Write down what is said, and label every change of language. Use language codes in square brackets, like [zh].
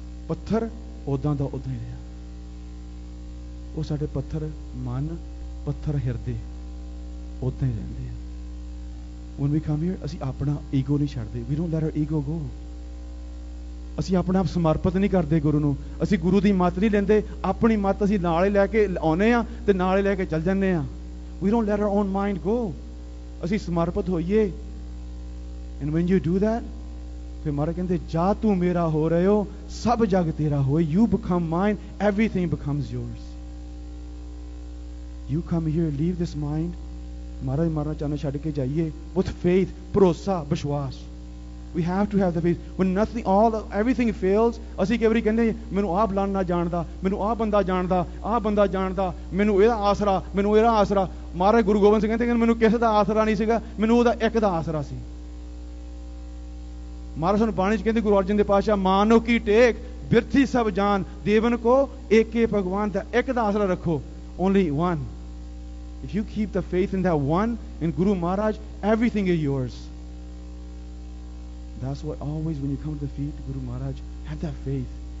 [pa] Patthar ਉਦਾਂ ਦਾ ਉਦਾਂ ਹੀ ਰਿਹਾ ਉਹ ਸਾਡੇ ਪੱਥਰ ਮਨ ਪੱਥਰ ਹਿਰਦੇ ਉਦਾਂ ਹੀ ਰਹਿੰਦੇ ਆ [en] When we come here, [pa] ਅਸੀਂ ਆਪਣਾ ego ਨਹੀਂ ਛੱਡਦੇ. [en] We don't let our ego go. [pa] ਅਸੀਂ ਆਪਣਾ ਆਪ ਸਮਰਪਿਤ ਨਹੀਂ ਕਰਦੇ ਗੁਰੂ ਨੂੰ. ਅਸੀਂ ਗੁਰੂ ਦੀ ਮੱਤ ਨਹੀਂ ਲੈਂਦੇ. ਆਪਣੀ ਮੱਤ ਅਸੀਂ ਨਾਲ ਹੀ ਲੈ ਕੇ ਆਉਂਦੇ ਹਾਂ ਅਤੇ ਨਾਲ ਹੀ ਲੈ ਕੇ ਚੱਲ ਜਾਂਦੇ ਹਾਂ. [en] We don't let our own mind go. [pa] ਅਸੀਂ ਸਮਰਪਿਤ ਹੋਈਏ. [en] And when you do that, [pa] ਫਿਰ ਮਹਾਰਾਜ ਕਹਿੰਦੇ ਜਾ ਤੂੰ ਮੇਰਾ ਹੋ ਰਹੇ ਹੋ ਸਭ ਜਗ ਤੇਰਾ ਹੋਏ. [en] You become mine, everything becomes yours. You come here, leave this mind. [pa] ਮਹਾਰਾਜ ਮਾਰਨਾ ਚਾਹੁੰਦੇ ਛੱਡ ਕੇ ਜਾਈਏ. [en] With faith, [pa] ਭਰੋਸਾ, ਵਿਸ਼ਵਾਸ. [en] We have to have the faith. When nothing, all, everything fails, [pa] ਅਸੀਂ ਕਈ ਵਾਰੀ ਕਹਿੰਦੇ ਮੈਨੂੰ ਆਹ ਬੁਲਾਣ ਨਾ ਜਾਣਦਾ, ਮੈਨੂੰ ਆਹ ਬੰਦਾ ਜਾਣਦਾ, ਆਹ ਬੰਦਾ ਜਾਣਦਾ, ਮੈਨੂੰ ਇਹਦਾ ਆਸਰਾ, ਮੈਨੂੰ ਇਹਦਾ ਆਸਰਾ. ਮਹਾਰਾਜ ਗੁਰੂ ਗੋਬਿੰਦ ਸਿੰਘ ਕਹਿੰਦੇ ਮੈਨੂੰ ਕਿਸੇ ਦਾ ਆਸਰਾ ਨਹੀਂ ਸੀਗਾ, ਮੈਨੂੰ ਉਹਦਾ ਇੱਕ ਦਾ ਆਸਰਾ ਸੀ. ਮਹਾਰਾਜ ਸਾਨੂੰ ਬਾਣੀ 'ਚ ਕਹਿੰਦੇ ਗੁਰੂ ਅਰਜਨ ਦੇਵ ਪਾਤਸ਼ਾਹ ਮਾਨੋ ਕੀ ਟੇਕ ਬਿਰਥੀ ਸਭ ਜਾਨ ਦੇਵਨ ਕੋ ਏਕੇ ਭਗਵਾਨ ਦਾ ਇੱਕ ਦਾ ਆਸਰਾ ਰੱਖੋ. [en] Only one. If you keep the faith in that one, in Guru Maharaj, everything is yours. That's what always when you come to the feet, Guru Maharaj, have that faith.